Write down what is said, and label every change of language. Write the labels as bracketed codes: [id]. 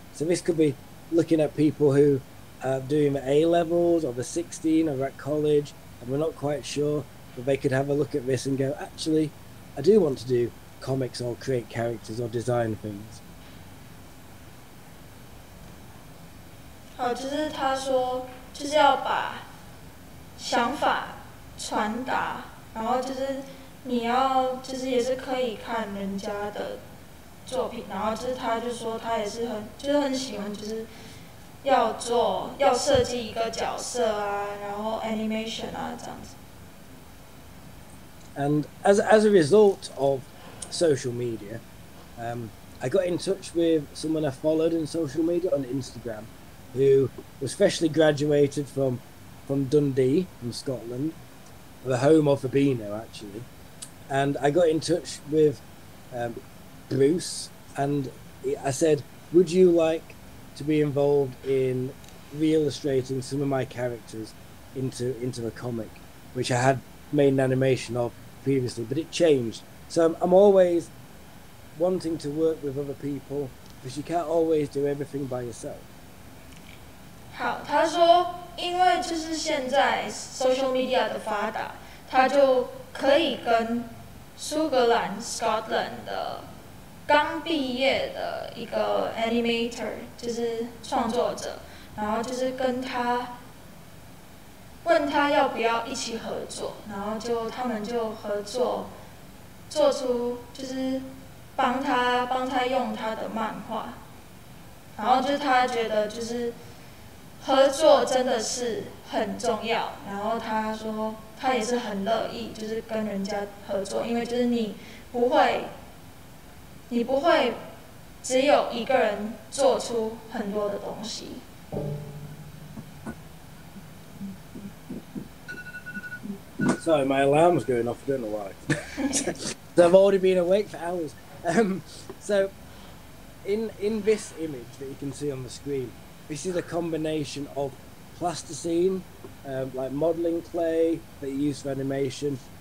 [en] So this could be looking at people who are doing the A levels or the 16 or at college and we're not quite sure, but they could have a look at this and go, actually I do want to do comics or create characters or design things. [zh] 好，就是他说，就是要把想法传达，然后就是你要，就是也是可以看人家的作品，然后就是他就说他也是很，就是很喜欢，就是要设计一个角色啊，然后 animation 啊这样子。 [en] And as a result of social media, I got in touch with someone I followed in social media on Instagram, who was freshly graduated from Dundee in Scotland, the home of Fabino actually, and I got in touch with Bruce, and I said, would you like to be involved in re-illustrating some of my characters into a comic, which I had made an animation of previously, but it changed. So I'm always wanting to work with other people, because you can't always do everything by yourself. [zh] 好，他说因为就是现在 social media 的发达，他就可以跟苏格兰 Scotland 的刚毕业的一个 animator 就是创作者，然后就是跟他问他要不要一起合作，然后就他们就合作做出就是帮他用他的漫画，然后就是他觉得就是合作真的是很重要，然后他说他也是很乐意就是跟人家合作，因为就是你不会只有一个人做出很多的东西。 [en] Sorry, my alarm's going off. I don't know why. So I've already been awake for hours. So in this image that you can see on the screen, this is a combination of plasticine, like modeling clay that you use for animation.